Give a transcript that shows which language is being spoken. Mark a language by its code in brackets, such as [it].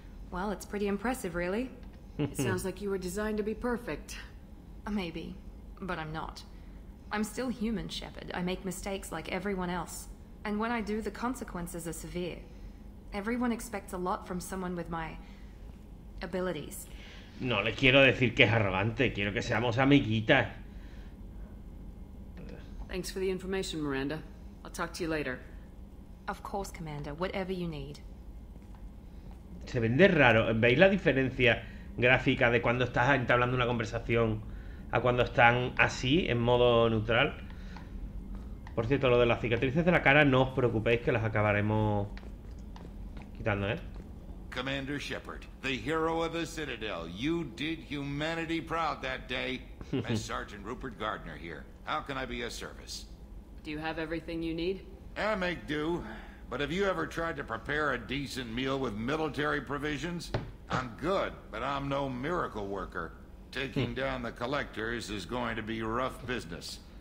[en] Well, it's pretty impressive, really. It sounds like you were designed to be perfect. Maybe. But I'm not. I'm still human, Shepard. I make mistakes like everyone else. And when I do, the consequences are severe. Everyone expects a lot from someone with my... abilities. [es] No le quiero decir que es arrogante, quiero que seamos amiguitas. [en] Thanks for the information, Miranda. I'll talk to you later. Of course, Commander. Whatever you need. [es] Se vende raro. ¿Veis la diferencia gráfica de cuando estás entablando una conversación a cuando están así, en modo neutral? Por cierto, lo de las cicatrices de la cara, no os preocupéis que las acabaremos quitando, ¿eh? [en] Commander Shepard, the hero of the Citadel. You did humanity proud that day. As Sergeant Rupert Gardner here, how can I be of service? Do you have everything you need? I make do, but have you ever tried to prepare a decent meal with military provisions? I'm good, but I'm no miracle worker. Taking down the collectors is going to be rough business.